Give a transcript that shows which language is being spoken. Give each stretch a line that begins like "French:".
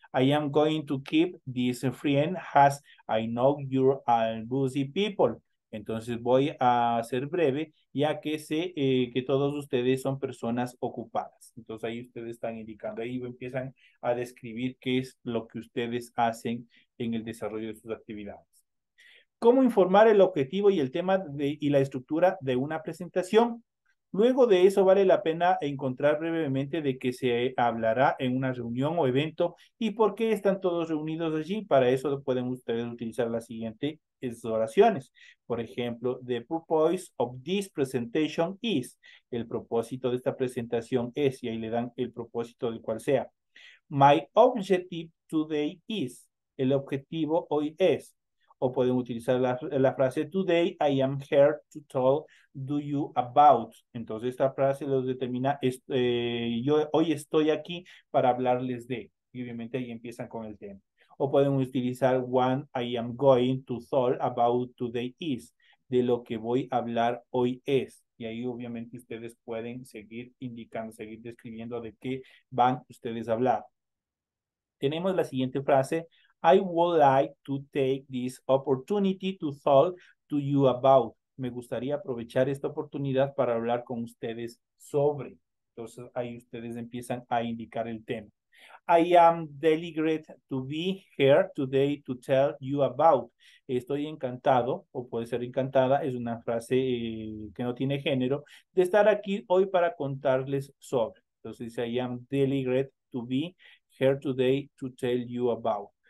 English: I am going to keep this friend as I know you're all busy people.
Spanish: Entonces voy a ser breve, ya que sé que todos ustedes son personas ocupadas. Entonces ahí ustedes están indicando, ahí empiezan a describir qué es lo que ustedes hacen en el desarrollo de sus actividades. ¿Cómo informar el objetivo y el tema y la estructura de una presentación? Luego de eso vale la pena encontrar brevemente de qué se hablará en una reunión o evento y por qué están todos reunidos allí. Para eso pueden ustedes utilizar las siguientes oraciones. Por ejemplo,
English: the purpose of this presentation is,
Spanish: el propósito de esta presentación es, y ahí le dan el propósito del cual sea.
English: My objective today is,
Spanish: el objetivo hoy es. O pueden utilizar la frase,
English: today I am here to talk to you about.
Spanish: Entonces, esta frase los determina, yo hoy estoy aquí para hablarles de. Y obviamente ahí empiezan con el tema. O pueden utilizar,
English: what I am going to talk about today is.
Spanish: De lo que voy a hablar hoy es. Y ahí obviamente ustedes pueden seguir indicando, seguir describiendo de qué van ustedes a hablar. Tenemos la siguiente frase,
English: I would like to take this opportunity to talk to you about.
Spanish: Me gustaría aprovechar esta oportunidad para hablar con ustedes sobre. Entonces, ahí ustedes empiezan a indicar el tema.
English: I am delighted to be here today to tell you about.
Spanish: Estoy encantado, o puede ser encantada, es una frase que no tiene género, de estar aquí hoy para contarles sobre. Entonces,
English: I am delighted to be here today to tell you about.